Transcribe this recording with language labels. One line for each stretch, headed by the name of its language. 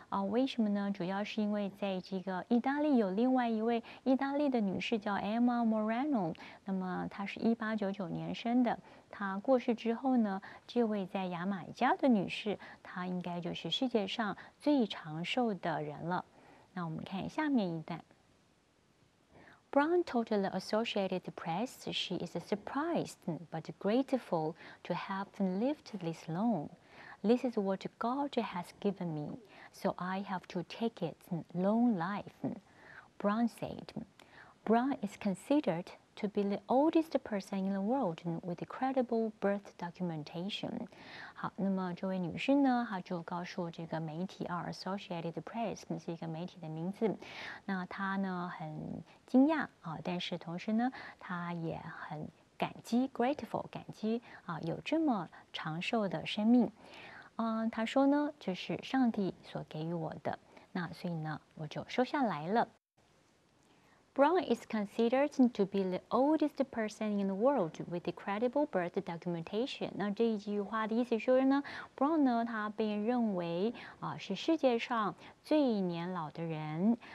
Chinese: 为什么呢？主要是因为在这个意大利有另外一位意大利的女士叫 Emma Morano， 那么她是1899年生的。她过世之后呢，这位在牙买加的女士，她应该就是世界上最长寿的人了。那我们看下面一段。
English: Brown told the Associated Press she is surprised but grateful to have lived this long. This is what God has given me, so I have to take it long life, Brown said. Brown is considered to be the oldest person in the world with credible birth documentation.
Chinese: 好，那么这位女士呢，她就告诉这个媒体 Associated Press 是一个媒体的名字。那她呢很惊讶但是同时呢，她也很感激 grateful 感激有这么长寿的生命。她说呢，这是上帝所给予我的。那所以呢，我就收下来了。
English: Brown is considered to be the oldest person in the world with credible birth documentation.
Chinese: 那这一句话的意思说呢 ，Brown 呢，他被认为是世界上最年老的人。